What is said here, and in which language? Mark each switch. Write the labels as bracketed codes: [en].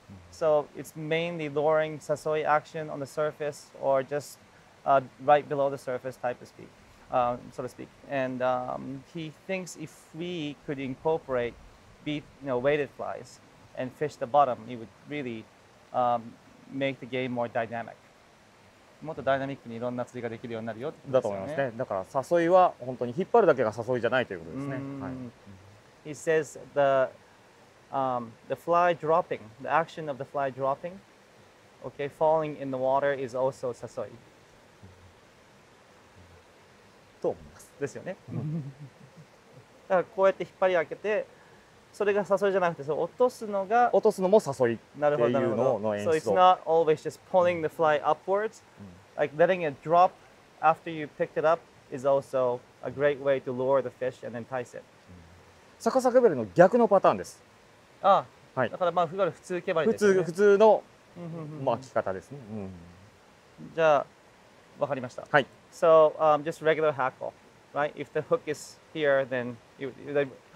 [en] So it's mainly luring sasoi action on the surface or just right below the surface type of speak, so to speak. And he thinks if we could incorporate weighted flies and fish the bottom, it would really make the game more dynamic. [ja] もっとダイナミックにいろんな釣りができるようになるよってことですよね。だと思いますね。だから誘いは本当に引っ張るだけが誘いじゃないということですね。 [en] はい、He says the fly dropping, the action of the fly dropping, okay, falling in the water is also 誘い。 [ja] と思います。ですよね。だからこうやって引っ張り上げて、それが誘いじゃなくて、そう落とすのが落とすのも誘いっていうのの演出を。 [en] So it's not always just pulling the fly upwards,、うん、like letting it drop after you picked it up is also a great way to lure the fish and entice it. [ja] サカサカベルの逆のパターンです。ああ、はい。だからまあ普通毛針ですね。普通の巻き方ですね。うん、じゃあわかりました。はい。 [en] So、just regular hackle, right? If the hook is here, then you then...